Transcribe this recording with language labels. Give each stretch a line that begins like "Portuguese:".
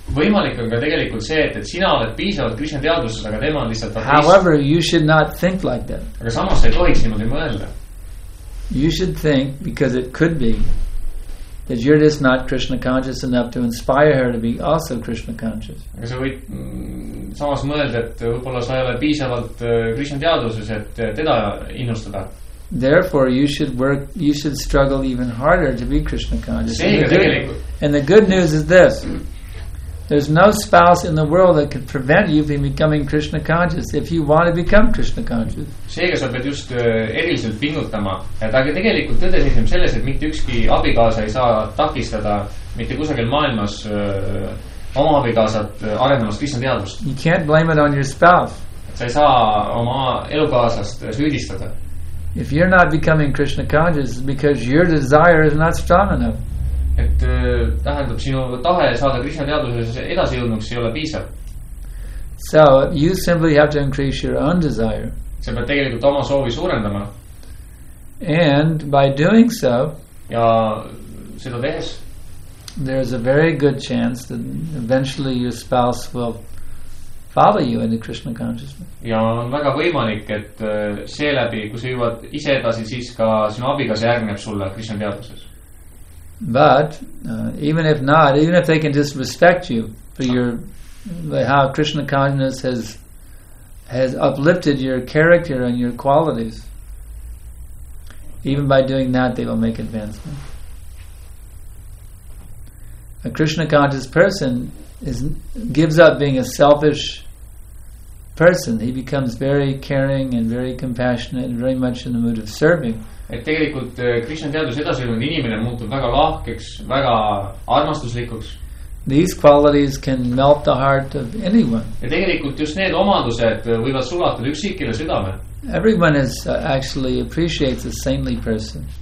Estonian: Võimalik on ka tegelikult see, et sina oled piisavalt Krishna teadust, aga tema on lihtsalt atheist.
English: However, you should not think like that.
Estonian: Aga samas sa ei tohiks niimoodi mõelda.
English: You should think, because it could be, that you're just not Krishna conscious enough to inspire her to be also Krishna conscious.
Estonian: Aga sa võid samas mõelda, et võibolla sa ei ole piisavalt Krishna teaduses, et teda innustada.
English: Therefore, you should work, you should struggle even harder to be Krishna conscious. See, and the good news is this. There's no spouse in the world that could prevent you from becoming Krishna conscious if you want to become Krishna conscious.
Estonian: Seega sa pead just eriliselt pingutama. Et aga tegelikult tõde seisneb selles, et mitte ükski abikaasa ei saa takistada mitte kusagil maailmas oma abikaasat arendamas Krishna teadust.
English: You can't blame it on your spouse.
Estonian: Et sa ei saa oma elukaasast süüdistada.
English: If you're not becoming Krishna conscious, it's because your desire is not strong enough.
Estonian: Et tähendab sinu tahe saada Krishna teaduses edasi jõudnuks ei ole piisav.
English: So you simply have to increase your own desire.
Estonian: Sa pead tegelikult oma soovi suurendama.
English: And by doing so,
Estonian: ja seda tehes,
English: there is a very good chance that eventually your spouse will follow you into Krishna consciousness.
Estonian: Ja on väga võimalik, et see läbi, kui sa jõuad ise edasi, siis ka sinu abikaasa järgneb sulle Krishna teaduses.
English: But even if not, even if they can just respect you for your how Krishna consciousness has uplifted your character and your qualities, even by doing that, they will make advancement. A Krishna conscious person gives up being a selfish person. He becomes very caring and very compassionate and very much in the mood of serving.
Estonian: Et tegelikult Krishna teadus edasi jõudnud inimene muutub väga lahkeks, väga armastuslikuks.
English: These qualities can melt the heart of anyone.
Estonian: Ja tegelikult just need omadused võivad sulatada üksikile südame.
English: Everyone is actually appreciates a saintly person.